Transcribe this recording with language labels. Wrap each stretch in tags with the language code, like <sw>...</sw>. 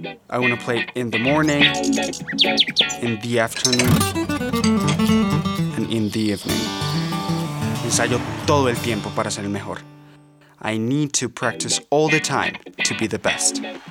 <en>I want to play in the morning, in the afternoon, and in the evening.</en> <es>Ensayo todo el tiempo para ser el mejor.</es> <en>I need to practice all the time to be the best.</en>